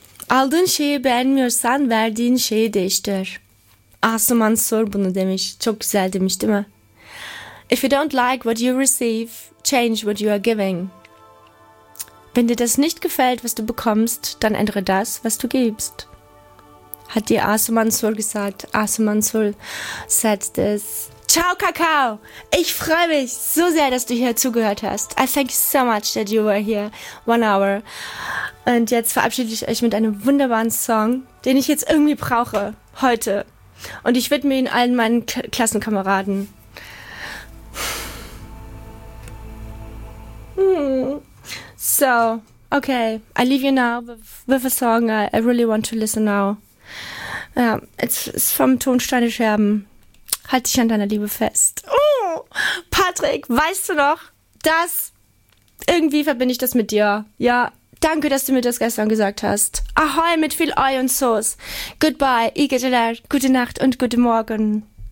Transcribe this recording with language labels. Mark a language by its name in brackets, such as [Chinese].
[Turkish] Aldığın şeyi beğenmiyorsan verdiğin şeyi değiştir. Asu Mansur bunu demiş. Çok güzel demiş, değil mi? [English] If you don't like what you receive, change what you are giving. [German] Wenn dir das nicht gefällt, was du bekommst, dann ändere das, was du gibst. Hat dir Asu Mansur gesagt. [English] Asu Mansur said this. [German] Ciao, Kakao! Ich freue mich so sehr, dass du hier zugehört hast. [English] I thank you so much that you were here. 1 hour. [German] Und jetzt verabschiede ich euch mit einem wunderbaren Song, den ich jetzt irgendwie brauche. Heute. Und ich widme ihn allen meinen Klassenkameraden. [English] So, okay, I leave you now with a song I really want to listen now. It's from Tonsteine Scherben. Halt dich an deiner Liebe fest. [German] Oh, Patrick, weißt du noch, dass irgendwie verbinde ich das mit dir. Ja, danke, dass du mir das gestern gesagt hast. Ahoi mit viel Ei und Sauce. Goodbye, Igeler, gute Nacht und guten Morgen.